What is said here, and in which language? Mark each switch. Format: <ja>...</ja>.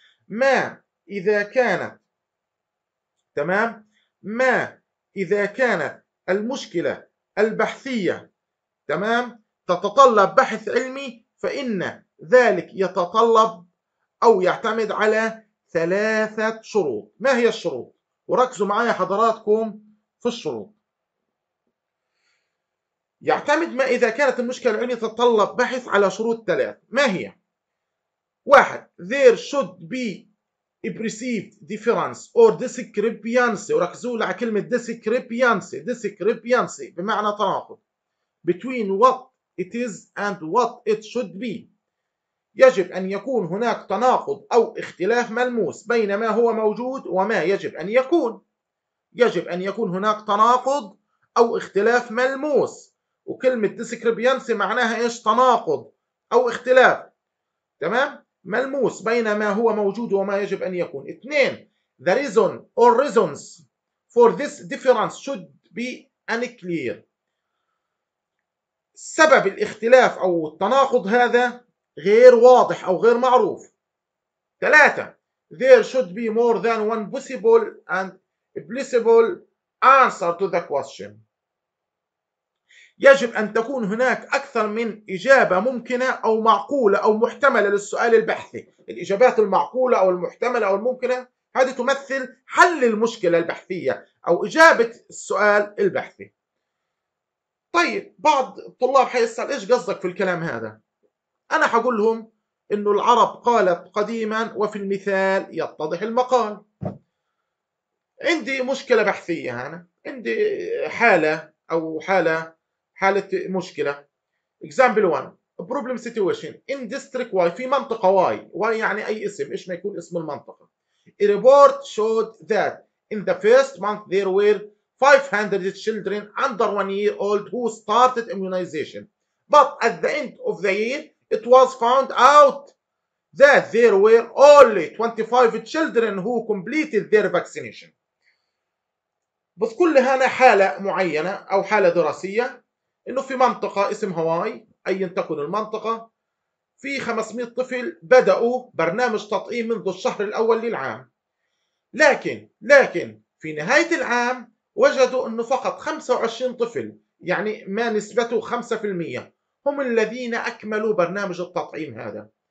<ar>ما إذا كانت تمام؟ ما إذا كانت المشكلة البحثية تمام؟ تتطلب بحث علمي فإن ذلك يتطلب أو يعتمد على ثلاثة شروط. ما هي الشروط؟ وركزوا معايا حضراتكم في الشروط. يعتمد ما إذا كانت المشكلة العلمية تتطلب بحث على شروط ثلاث.</ar> <en>ما هي؟</en> <ar>واحد</ar> <en>there should be a perceived difference or discrepancy.</en> <ar>وركزوا على كلمة</ar> <en>discrepancy</en> <ar>بمعنى تناقض</ar> <en>between what it is and what it should be.</en> <ar>يجب أن يكون هناك تناقض أو اختلاف ملموس بين ما هو موجود وما يجب أن يكون. يجب أن يكون هناك تناقض أو اختلاف ملموس، وكلمة discrepancy معناها إيش؟ تناقض أو اختلاف تمام؟ ملموس بين ما هو موجود وما يجب أن يكون. اثنين</ar> <en>the reason or reasons for this difference should be unclear.</en> <ar>سبب الاختلاف أو التناقض هذا غير واضح أو غير معروف. ثلاثة</ar> <en>there should be more than one possible and plausible answer to the question.</en> <ar>يجب أن تكون هناك أكثر من إجابة ممكنة أو معقولة أو محتملة للسؤال البحثي. الإجابات المعقولة أو المحتملة أو الممكنة هذه تمثل حل المشكلة البحثية أو إجابة السؤال البحثي. طيب بعض الطلاب حيسأل إيش قصدك في الكلام هذا؟ أنا حقولهم إنه العرب قالت قديما وفي المثال يتضح المقال. عندي مشكلة بحثية، أنا عندي حالة مشكلة.</ar> <en>Example 1 problem situation in district Y</en> <ar>في منطقة</ar> <en>Y.</en> <ar>Y يعني أي اسم، إيش ما يكون اسم المنطقة.</ar> <en>A report showed that in the first month there were 500 children under 1 year old who started immunization. But at the end of the year it was found out that there were only 25 children who completed their vaccination.</en> <ar>بس كلها حالة معينة أو حالة دراسية، إنه في منطقة اسمها واي أي تكن المنطقة، في 500 طفل بدأوا برنامج تطعيم منذ الشهر الأول للعام، لكن في نهاية العام وجدوا أنه فقط 25 طفل، يعني ما نسبته 5%، هم الذين أكملوا برنامج التطعيم هذا.</ar>